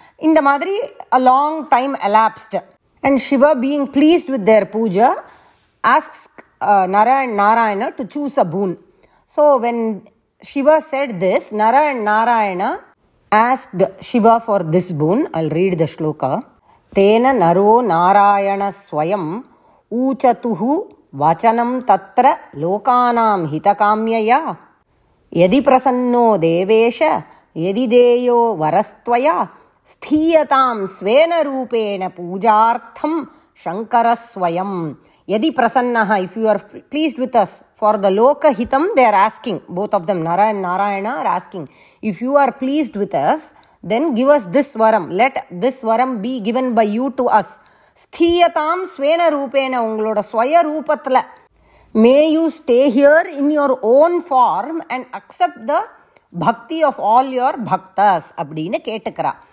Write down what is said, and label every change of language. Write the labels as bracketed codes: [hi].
[en] In the Madri, a long time elapsed. And Shiva, being pleased with their puja, asks Narayana to choose a boon. So when Shiva said this, Narayana asked Shiva for this boon. I'll read the shloka. [sa] தேன நரோ நாராயண ஸ்வயம் ஊசதுஹு வசனம் தத்ர லோகானாம் ஹிதகாம்யயா யதி ப்ரசன்னோ தேவேஷ யதி தேயோ வரஸ்த்வயா ஸ்தீயதாம் ஸ்வேன ரூபேண பூஜார்த்தம் சங்கர ஸ்வயம். யதி ப்ரசன்னஹ, [en] If you are pleased with us for the லோக ஹிதம், they are asking both of them Narayana are asking, if you are pleased with us then give us this varam, let this varam be given by you to us. [sa] Sthiyatam svena rupena, [ta] ungaloda swaya roopathla [en] may you stay here in your own form and accept the bhakti of all your bhaktas [ta] appadina ketukra.